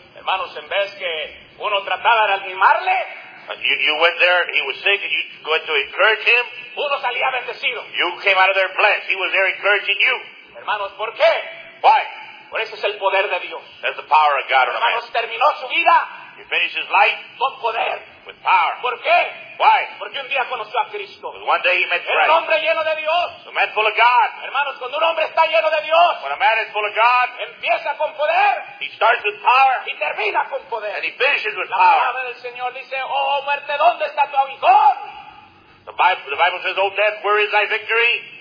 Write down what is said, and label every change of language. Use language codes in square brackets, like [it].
[es] hermanos, en vez que uno trataba de animarle, [en] you went there, he was sick, and you went to encourage him. [es] Uno salía bendecido. [en] You came out of there blessed. He was there encouraging you. [es] Hermanos, ¿por qué? [en] Why? [es] Por eso es el poder de Dios. [en] That's the power of God on a man. [es] Hermanos, terminó su vida. [en] He finished his life. [es] Con poder. [en] With power. [es] ¿Por qué? [en] Why? [es] Porque un día conoció a Cristo. [en] One day he met Christ. [es] Era un hombre lleno de Dios. [en] A man full of God. [es] Hermanos, cuando un hombre está lleno de Dios. [en] When a man is full of God. [es] Empieza con poder. [en] He starts with power. [es] Y termina con poder. [en] And he finishes with [es] la [en] power. [es] La palabra del Señor dice, oh muerte, ¿dónde está tu aguijón? [en] The Bible says, oh death, where is thy victory?